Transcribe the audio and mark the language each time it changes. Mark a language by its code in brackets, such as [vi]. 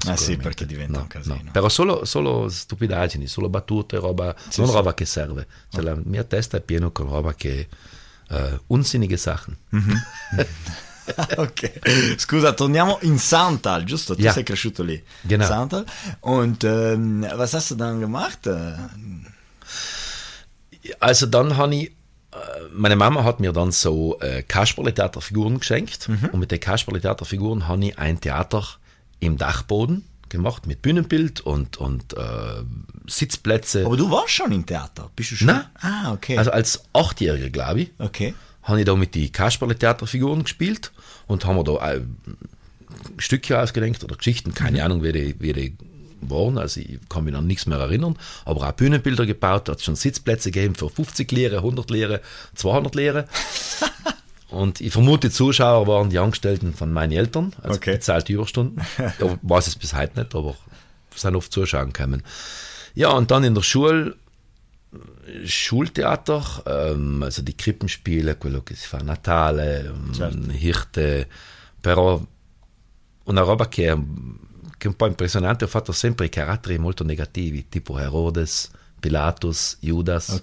[it] sicuramente. Sì, perché diventa un casino. Però solo stupidaggini, solo battute, roba, non roba che serve. Cioè, la mia testa è piena con roba che, [de] unsinnige Sachen. [it] Ok, scusa, torniamo in Santal, giusto? Tu sei cresciuto lì, [de] genau. Santal. Und was hast du dann gemacht? Also dann habe ich, meine Mama hat mir dann so Kasperle-Theaterfiguren geschenkt. Mhm. Und mit den Kasperle-Theaterfiguren habe ich ein Theater im Dachboden gemacht, mit Bühnenbild und Sitzplätze. Aber du warst schon im Theater, bist du schon? Na? Ah, okay. Also als Achtjähriger, glaube ich. Okay. Habe ich da mit den Kasperle-Theaterfiguren gespielt und haben wir da Stücke ausgedenkt oder Geschichten, keine Ahnung, wie die waren, also ich kann mich an nichts mehr erinnern, aber auch Bühnenbilder gebaut, hat schon Sitzplätze gegeben für 50 Lire, 100 Lire, 200 Lire. Und ich vermute, Zuschauer waren die Angestellten von meinen Eltern, also okay, bezahlte Überstunden. Ja, weiß es bis heute nicht, aber sind oft Zuschauer gekommen. Ja, und dann in der Schultheater, also die Krippenspiele, [it] quello che si fa Natale, Hirte, però una roba che un po' impressionante, ho fatto sempre i caratteri molto negativi, tipo Herodes, Pilatus, Judas.